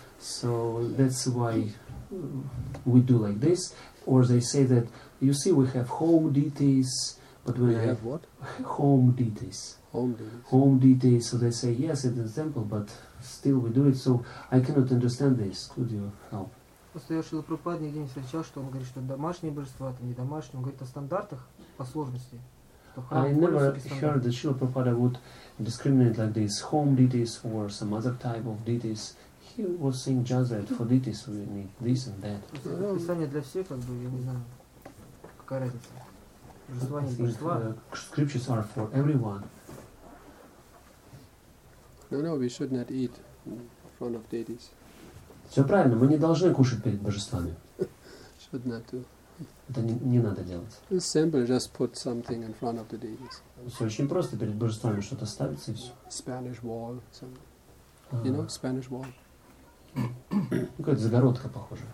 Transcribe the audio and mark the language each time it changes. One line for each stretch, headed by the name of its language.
English: So that's why we do like this, or they say that you see we have home deities, but when we have what? Home deities. So they say yes in the temple, but still we do it. So I cannot understand this. Could you help?
Russian: Просто я Шрила Прабхупада нигде не встречал, что он говорит, что домашние божества, это не домашние. Он говорит о стандартах по сложности.
English: I never heard that Шрила Прабхупада would discriminate like this, home deities or some other type of deities. He was saying just that for deities we need this and that.
Russian: Описание для всех, как бы, я не знаю, какая разница. Божества, не божества.
English: Scriptures are for everyone. No, we should not eat in front of deities.
Russian: Все правильно, мы не должны кушать перед божествами.
English: Should not do.
Russian: Это не надо делать.
English: It's simple, just put something in front of the deities.
Russian: Все очень просто, перед божествами что-то ставится и все.
English: Spanish wall, something. You know, Spanish wall.
Russian: Ну, какая-то загородка, похоже.